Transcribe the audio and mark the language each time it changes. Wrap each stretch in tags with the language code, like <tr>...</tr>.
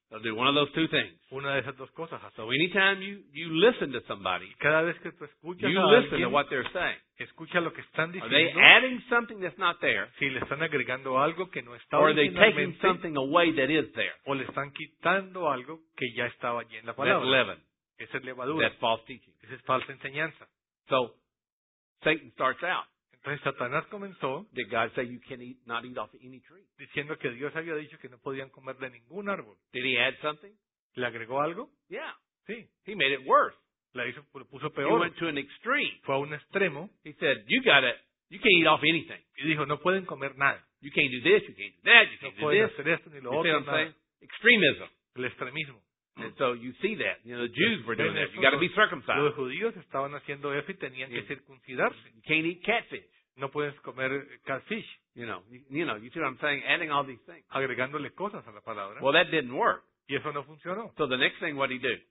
<en>It'll do one of those two things.</en> <es>Una de esas dos cosas.</es> <en>So anytime you listen to somebody,</en> <es>cada vez que tú escuchas</es> <en>you</en> <es>a</es> <en>listen</en> <es>alguien,</es> <en>to what they're saying.</en> <es>Escucha lo que están diciendo.</es> <en>Are they adding something that's not there?</en> <es>Si le están agregando algo que no está</es> <en>or are they taking something away that is there?</en> <es>O le están quitando algo que ya estaba allí en la palabra.</es> <en>That's leaven.</en> <es>Esa es levadura.</es> <en>That's false teaching.</en> <es>Esa es falsa enseñanza.</es> <en>So, Satan starts out.</en> <es>Entonces Satanás comenzó.</es> <en>That God said you can eat, not eat off any tree.</en> <es>Diciendo que Dios había dicho que no podían comer de ningún árbol.</es> <en>Did he add something?</en> <es>¿Le agregó algo?</es> <en>Yeah.</en> <es>Sí.</es> <en>He made it worse.</en> <es>La hizo, lo puso peor.</es> <en>He went to an extreme.</en> <es>Fue a un extremo.</es> <en>He said, you got it. You can't eat off anything.</en> <es>Y dijo, no pueden comer nada.</es> <en>You can't do this, you can't do that, you can't</en> <es>no</es> <en>do this.</en> <es>Hacer esto, ni lo</es> <en>you</en> <es>otro,</es> <en>see what I'm saying? Extremism.</en> <es>El extremismo.</es> <en>And so you see that. You know, the Jews were doing that. You got to be circumcised.</en> <es>Los judíos estaban haciendo eso y tenían que circuncidarse.</es> <en>You can't eat catfish.</en> <es>No puedes comer catfish.</es> <en>You know, you see what I'm saying? Adding all these things.</en> <es>Agregándole cosas a la palabra.</es> <en>Well, that didn't work.</en> <es>Y eso no funcionó.</es> <en>So the next thing, what did he do?</en>